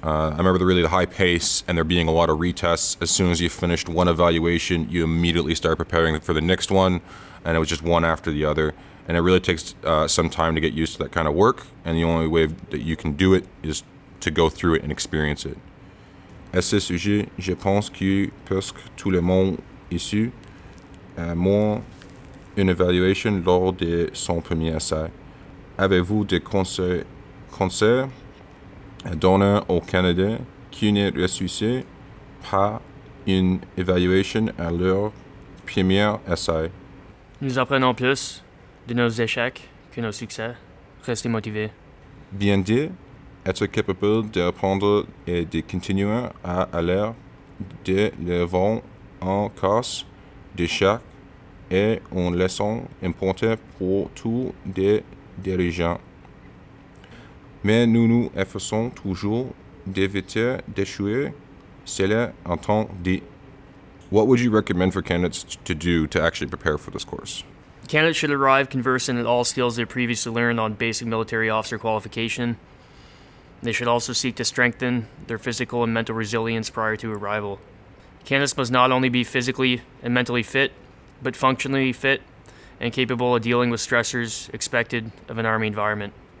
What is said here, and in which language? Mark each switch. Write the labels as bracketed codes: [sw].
[en] I remember the high pace and there being a lot of retests. As soon as you finished one evaluation, you immediately start preparing for the next one, and it was just one after the other. And it really takes some time to get used to that kind of work, and the only way that you can do it is to go through it and experience it. [fr] À ce sujet, je pense que presque tout le monde issu a moins une évaluation lors de son premier essai. Avez-vous des conseils à donner aux candidats qui ne réussissent pas une évaluation à leur premier essai? Nous apprenons plus de nos échecs que nos succès. Restez motivés. Bien dit. Être capable d'apprendre et de continuer à aller de l'avant en cas d'échec est une leçon importante pour tous les dirigeants. Mais nous nous efforçons toujours d'éviter d'échouer, cela étant dit. [en] What would you recommend for candidates to do to actually prepare for this course? Candidates should arrive conversant with all skills they previously learned on basic military officer qualification. They should also seek to strengthen their physical and mental resilience prior to arrival. Candidates must not only be physically and mentally fit, but functionally fit and capable of dealing with stressors expected of an Army environment.